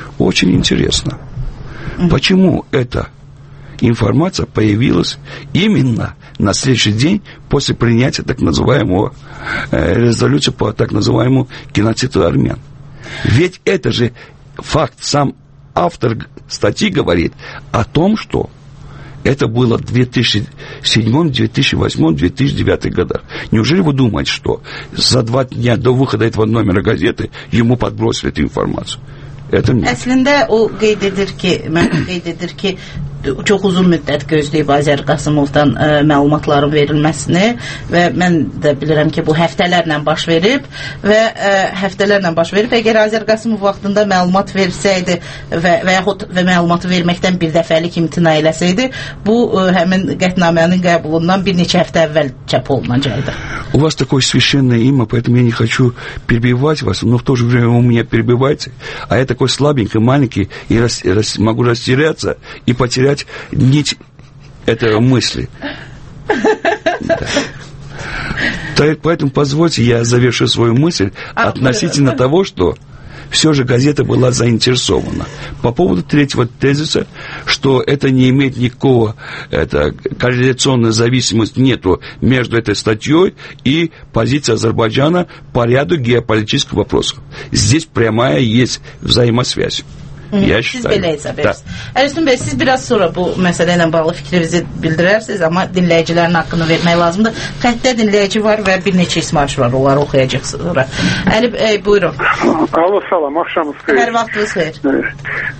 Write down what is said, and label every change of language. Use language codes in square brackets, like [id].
[ru] Очень интересно, почему эта информация появилась именно на следующий день после принятия так называемого резолюции по так называемому геноциду армян. Ведь это же факт, сам автор статьи говорит о том, что это было в 2007, 2008, 2009 годах. Неужели вы думаете, что за два дня до выхода этого номера газеты ему подбросили эту информацию? Это нет. [az] Эслинде, о, гейдедир ки, çox uzun müddət gözləyib Azər Qasımovdan məlumatların verilməsini və mən də bilirəm ki, bu həftələrlə baş verib və həftələrlə baş verib. Əgər Azər Qasımov vaxtında məlumat versəydi və yaxud və məlumatı verməkdən bir dəfəlik imtina eləsəydi, bu həmin qətnamənin qəbulundan bir neçə həftə əvvəl çap olunacaqdı. [ru] У вас такое священное имя, поэтому я не хочу перебивать вас, но в то же время вы меня перебиваете, а я такой слабенький, маленький, могу растеряться и потерять нить этой мысли. Да. Так, поэтому позвольте, я завершу свою мысль относительно того, что все же газета была заинтересована. По поводу третьего тезиса, что это не имеет никакого, это корреляционной зависимости нету между этой статьей и позицией Азербайджана по ряду геополитических вопросов. Здесь прямая есть взаимосвязь. [az] Siz belə hesab edirsiniz. Əlüstün bəy, siz biraz sonra bu məsələ ilə bağlı fikrinizi bildirərsiniz, amma dinləyicilərin haqqını vermək lazımdır. Xəttdə dinləyici var və bir neçə ismarış var, onları oxuyacaq sonra. Əli bəy, buyurun. Alo, salam, axşamınız xeyir. Hər vaxtınız xeyir.